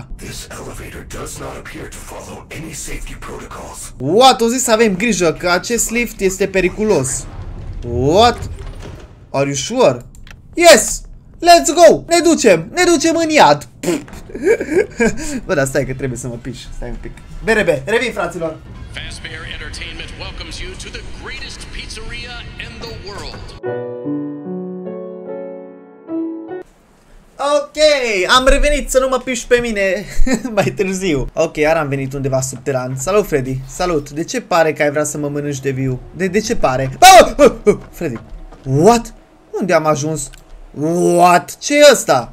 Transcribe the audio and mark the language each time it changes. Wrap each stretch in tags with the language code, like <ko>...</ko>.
<en>This elevator does not appear to follow any safety protocols. What?</en> <ro>O zis să avem grijă că acest lift este periculos.</ro> <en>What? Are you sure? Yes! Let's go!</en> <ro>Ne ducem! Ne ducem în iad! Bă, dar stai că trebuie să mă piș. Stai un pic. BRB, revin, fraților!</ro> <en>Fazbear Entertainment welcomes you to the greatest pizzeria in the world.</en> <ro>Ok, am revenit să nu mă piși pe mine mai târziu. Ok, iar am venit undeva subteran. Salut, Freddy. Salut. De ce pare că ai vrea să mă mănânci de viu? De ce pare? Freddy.</ro> <en>What?</en> <ro>Unde am ajuns? What? Ce e ăsta?</ro>